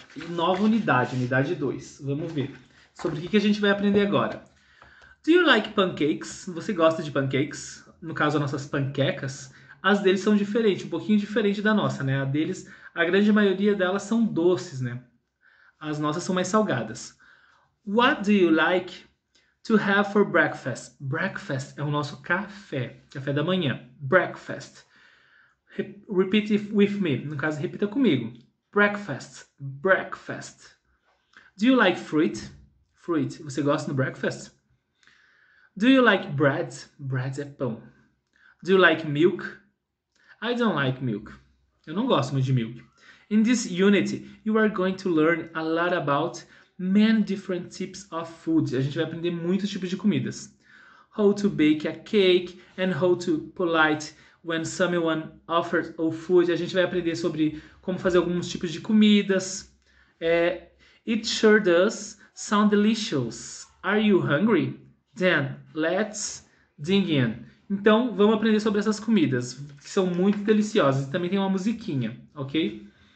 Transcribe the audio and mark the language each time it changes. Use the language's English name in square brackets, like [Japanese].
[Portuguese] Nova unidade, unidade 2. Vamos ver sobre o que que a gente vai aprender agora. [English] Do you like pancakes? [Portuguese] Você gosta de pancakes? No caso, as nossas panquecas. As deles são diferentes, um pouquinho diferente da nossa, né? A deles, a grande maioria delas são doces, né? As nossas são mais salgadas. [English] What do you like to have for breakfast? [Portuguese] Breakfast é o nosso café, café da manhã. [English] Breakfast. Repeat with me. [Portuguese] No caso, repita comigo. [English] Breakfast. Breakfast. Do you like fruit? Fruit. [Portuguese] Você gosta no [English] breakfast? Do you like bread? Bread [Portuguese] é pão. [English] Do you like milk? I don't like milk. [Portuguese] Eu não gosto muito de [English] milk. In this unit, you are going to learn a lot about many different types of food. [Portuguese] A gente vai aprender muitos tipos de comidas. [English] How to bake a cake and how to polite when someone offers our food. [Portuguese] A gente vai aprender sobre como fazer alguns tipos de comidas. [English] It sure does sound delicious. Are you hungry? Then, let's dig in. [Portuguese] Então, vamos aprender sobre essas comidas, que são muito deliciosas. E também tem uma musiquinha, ok?